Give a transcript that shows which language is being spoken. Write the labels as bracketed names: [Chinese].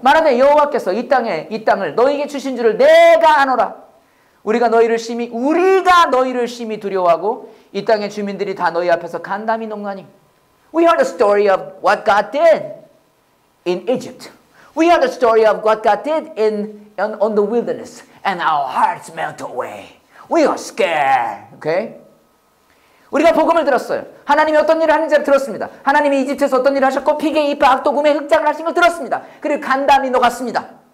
[Korean] 말하되 여호와께서 이 땅을 너희에게 주신 줄을 내가 아노라. 우리가 너희를 심히 두려워하고 이 땅의 주민들이 다 너희 앞에서 간담이 녹나니. [English] We heard the story of what God did in Egypt. We heard the story of what God did on the wilderness, and our hearts melt away. We are scared. Okay? [Korean] 우리가 복음을 들었어요. 하나님이 어떤 일을 하는지를 들었습니다. 하나님이 이집트에서 어떤 일을 하셨고 피게 이빨 악도금에 흑장을 하신 걸 들었습니다. 그리고 간담이 녹았습니다.